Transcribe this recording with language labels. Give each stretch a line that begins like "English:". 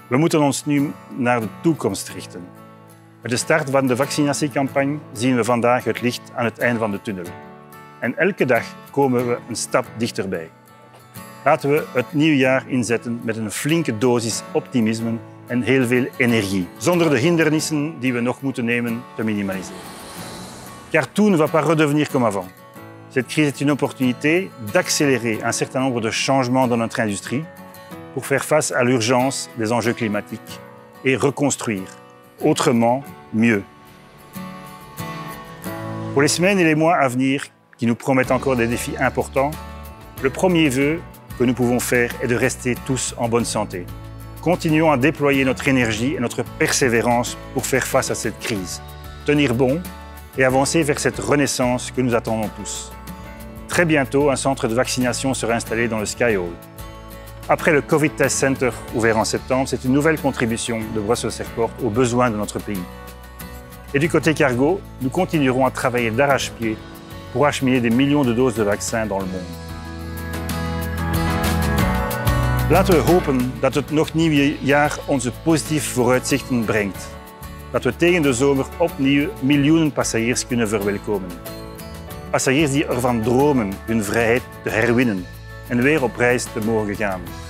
Dutch: We moeten ons nu naar de toekomst richten. Met de start van de vaccinatiecampagne zien we vandaag het licht aan het einde van de tunnel. En elke dag komen we een stap dichterbij. Laten we het nieuwe jaar inzetten met een flinke dosis optimisme en heel veel energie, zonder de hindernissen die we nog moeten nemen te minimaliseren.
French: Car tout ne va pas redevenir comme avant. Cette crise est une opportunité d'accélérer un certain nombre de changements dans notre industrie pour faire face à l'urgence des enjeux climatiques et reconstruire autrement, mieux. Pour les semaines et les mois à venir, qui nous promettent encore des défis importants, le premier vœu que nous pouvons faire est de rester tous en bonne santé. Continuons à déployer notre énergie et notre persévérance pour faire face à cette crise, tenir bon et avancer vers cette renaissance que nous attendons tous. Très bientôt, un centre de vaccination sera installé dans le Sky Hall. Après le COVID Test Center ouvert en septembre, c'est une nouvelle contribution de Brussels Airport aux besoins de notre pays. Et du côté cargo, nous continuerons à travailler d'arrache-pied pour acheminer des millions de doses de vaccins dans le monde.
Dutch: Laten we hopen dat het nog nieuwe jaar onze positieve vooruitzichten brengt. Dat we tegen de zomer opnieuw miljoenen passagiers kunnen verwelkomen. Passagiers die ervan dromen hun vrijheid te herwinnen en weer op reis te mogen gaan.